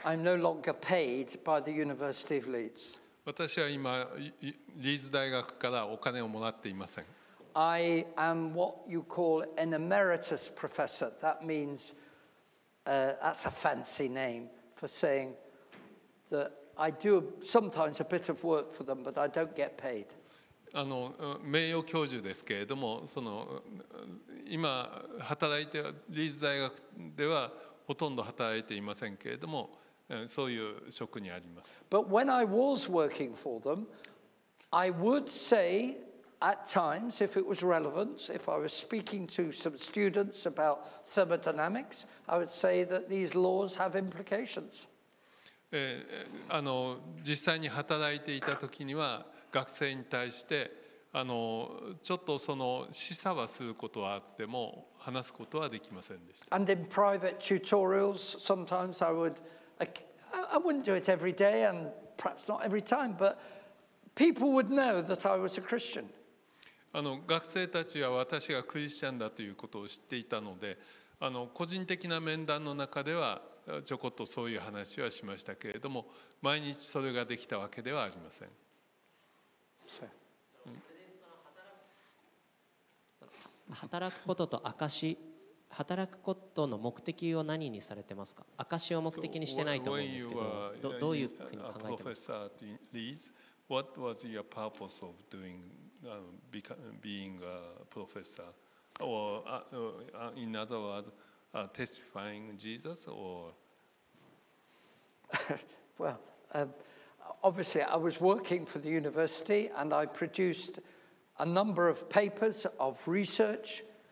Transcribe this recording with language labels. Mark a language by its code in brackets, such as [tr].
[en] I'm no longer paid by the University of Leeds. [ja] 私は今リーズ大学からお金をもらっていません。 [en] I am what you call an emeritus professor. That means that's a fancy name for saying that I do sometimes a bit of work for them, but I don't get paid. [ja] あの名誉教授ですけれども、その今働いてリーズ大学ではほとんど働いていませんけれども、そういう職にあります。 [en] But when I was working for them, I would say at times, if it was relevant, if I was speaking to some students about thermodynamics, I would say that these laws have implications. [ja] あの実際に働いていた時には学生に対して、あのちょっとその示唆はすることはあっても話すことはできませんでした。 [en] And in private tutorials, sometimes I wouldn't do it every day and perhaps not every time, but people would know that I was a Christian. [ja] あの学生たちは私がクリスチャンだということを知っていたので、あの個人的な面談の中ではちょこっとそういう話はしましたけれども、毎日それができたわけではありません。働くことと証、働くことの目的を何にされてますか？証を目的にしてないと思うんですけど、どういうふうに考えてますか？ [en] Professor at Leeds, what was your purpose of doing, being a professor? Or in other words, testifying Jesus? Or well, obviously, I was working for the university and I produced a number of papers of research.